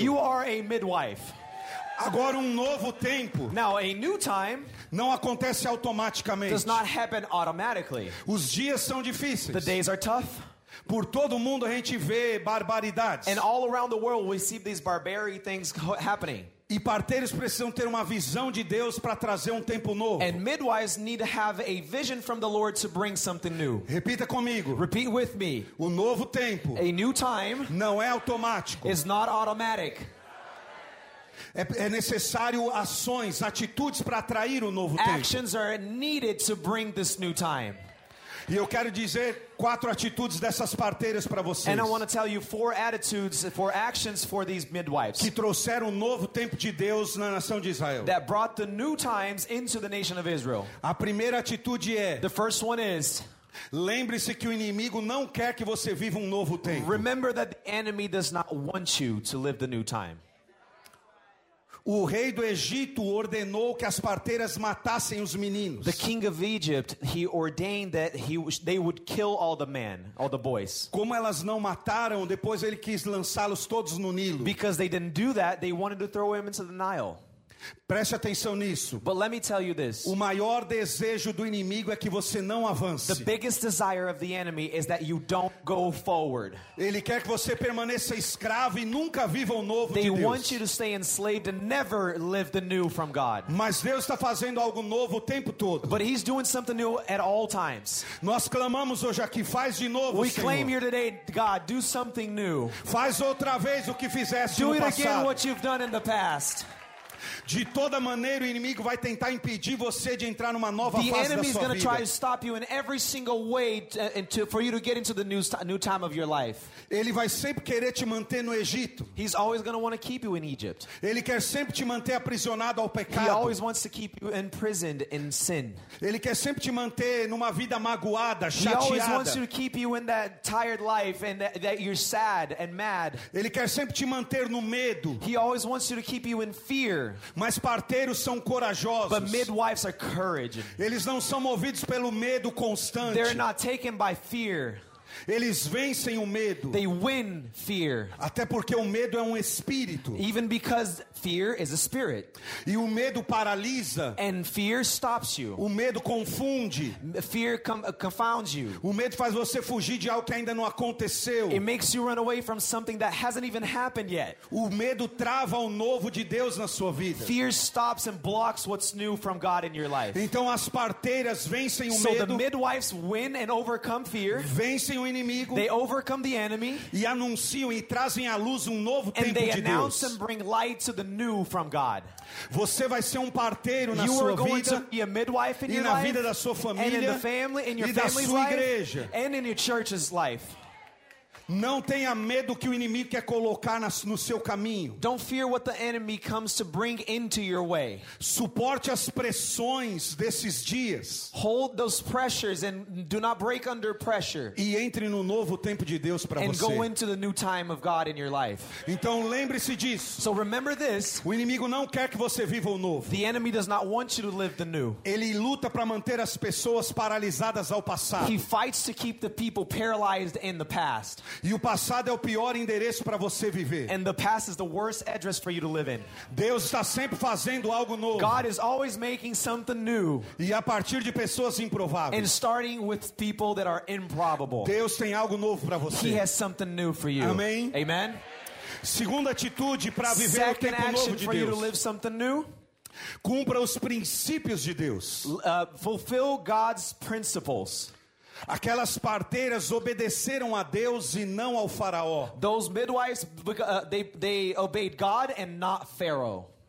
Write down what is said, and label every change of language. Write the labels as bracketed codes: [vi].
[en] You are a midwife. [pt] Agora novo tempo. [en] Now a new time. [pt] Não acontece automaticamente. [en] Does not happen automatically. [pt] Os dias são difíceis. [en] The days are tough. [pt] Por todo mundo a gente vê barbaridades. [en] And all around the world we see these barbary things happening. [pt] E parteiros precisam ter uma visão de Deus para trazer tempo novo. [en] And midwives need to have a vision from the Lord to bring something new. [pt] Repita comigo. [en] Repeat with me. [pt] O novo tempo. [en] A new time. [pt] Não é automático. [en] Is not automatic. [pt] É necessário ações, atitudes para atrair novo tempo. [en] Actions are needed to bring this new time. [pt] E eu quero dizer quatro atitudes dessas parteiras para vocês. [en] And I want to tell you four attitudes, four actions for these midwives. [pt] Que trouxeram novo tempo de Deus na nação de Israel. [en] That brought the new times into the nation of Israel. [pt] A primeira atitude é. [en] The first one is. [pt] Lembre-se que o inimigo não quer que você viva novo tempo. [en] Remember that the enemy does not want you to live the new time. [pt] O rei do Egito ordenou que as parteiras matassem os meninos. [en] The king of Egypt, he ordained that they would kill all the men, all the boys. [pt] Como elas não mataram, depois ele quis lançá-los todos no Nilo. [en] Because they didn't do that, they wanted to throw them into the Nile. [pt] Preste atenção nisso. [en] But let me tell you this. [pt] O maior desejo do inimigo é que você não avance. [en] The biggest desire of the enemy is that you don't go forward. [pt] Ele quer que você permaneça escravo e nunca viva novo [en] they [pt] de Deus. [en] They want you to stay enslaved and never live the new from God. [pt] Mas Deus está fazendo algo novo o tempo todo. [en] But he's doing something new at all times. [pt] Nós clamamos hoje aqui, faz novo, [en] We claim here today, God, do something new. [pt] Faz outra vez o que fizeste [en] do [pt] no [en] it [pt] passado. [en] Again what you've done in the past. [pt] De toda maneira, o inimigo vai tentar impedir você de entrar numa nova [en] the [pt] fase da sua vida. [en] The enemy is going to try to stop you in every single way for you to get into the new time of your life. [pt] Ele vai sempre querer te manter no Egito. [en] He's always going to want to keep you in Egypt. [pt] Ele quer sempre te manter aprisionado ao pecado. [en] He always wants to keep you imprisoned in sin. [pt] Ele quer sempre te manter numa vida magoada, chateada. [en] He always wants to keep you in that tired life and that you're sad and mad. [pt] Ele quer sempre te manter no medo. [en] He always wants to keep you in fear. [pt] Mas parteiros são corajosos. [en] But midwives are courage. [pt] Eles não são movidos pelo medo constante. [en] They're not taken by fear. [pt] Eles vencem o medo. [en] They win fear. [pt] Até porque o medo é espírito. [en] Even because fear is a spirit. [pt] E o medo paralisa. [en] And fear stops you. [pt] O medo confunde. [en] Fear confounds you. [pt] O medo faz você fugir de algo que ainda não aconteceu. [en] It makes you run away from something that hasn't even happened yet. [pt] O medo trava o novo de Deus na sua vida. [en] Fear stops and blocks what's new from God in your life. [pt] Então as parteiras vencem o medo. [en] So the midwives win and overcome fear. [pt] Vencem o inimigo. [en] They overcome the enemy. [pt] E anunciam e trazem à luz novo tempo de Deus. [en] And they announce and bring light to the new from God. [pt] Você vai ser parteiro na sua vida [en] e a midwife in your life, [pt] na vida da sua família, [en] and in the family, in your family's life, [pt] da sua igreja, [en] and in your church's life. [pt] Não tenha medo que o inimigo quer colocar no seu caminho. [en] Don't fear what the enemy comes to bring into your way. [pt] Suporte as pressões desses dias. [en] Hold those pressures and do not break under pressure. [pt] E entre novo tempo de Deus para você. [en] And go into the new time of God in your life. [pt] Então lembre-se disso. [en] So remember this. [pt] O inimigo não quer que você viva novo. [en] The enemy does not want you to live the new. [pt] Ele luta para manter as pessoas paralisadas ao passado. [en] He fights to keep the people paralyzed in the past. [pt] E o passado é o pior endereço para você viver. [en] And the past is the worst address for you to live in. [pt] Deus está sempre fazendo algo novo. [en] God is always making something new. [pt] E a partir de pessoas improváveis. [en] And starting with people that are improbable. [pt] Deus tem algo novo para você. [en] He has something new for you. [pt] Amém. [en] Amen. [pt] Segunda atitude para viver [en] Second [pt] o tempo novo de Deus. [en] For you to live something new. [pt] Cumpra os princípios de Deus. [en] Fulfill God's principles. [pt] Aquelas parteiras obedeceram a Deus e não ao faraó. [en] Those midwives they obeyed God and not Pharaoh.